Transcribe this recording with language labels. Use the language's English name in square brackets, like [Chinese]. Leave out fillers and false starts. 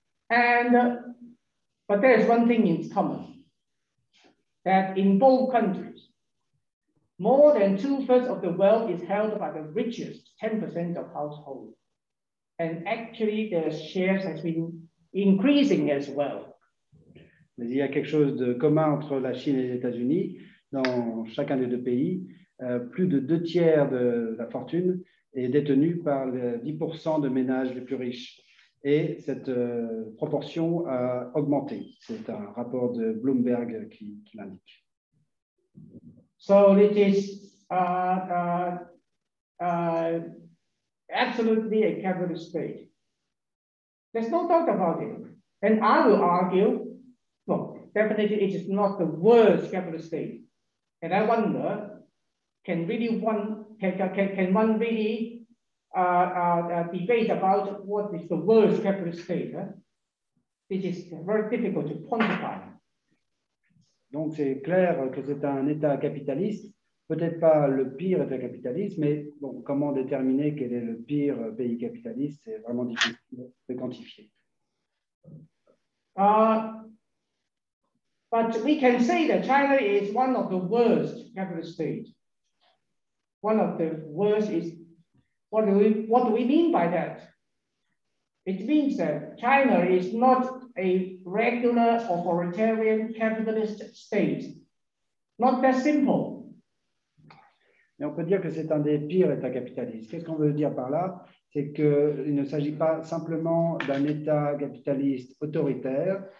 [English] And, but there is one thing in common, that in both countries, more than two-thirds of the wealth is held by the richest 10% of households. And actually, their shares has been increasing as well. [French] Mais il y a quelque chose de commun entre la Chine et les États-Unis. Dans chacun des deux pays, plus de deux tiers de la fortune est détenue par les 10% de ménages les plus riches. Et cette proportion a augmenté. C'est un rapport de Bloomberg qui l'indique. [English] So it is absolutely a capitalist state. There's no doubt about it. And I will argue, well, definitely it is not the worst capitalist state. And I wonder, can one really debate about what is the worst capitalist state? It is very difficult to quantify. [French] Donc, c'est clair que c'est un État capitaliste, peut-être pas le pire État capitaliste, mais bon, comment déterminer quel est le pire pays capitaliste, c'est vraiment difficile de quantifier. [English] But we can say that China is one of the worst capitalist states. One of the worst is, what do we mean by that? It means that China is not a regular authoritarian capitalist state. Not that simple. [French] Mais on peut dire que c'est un des pires états capitalistes. Qu'est-ce qu'on veut dire par là? C'est qu'il ne s'agit pas simplement d'un état capitaliste autoritaire.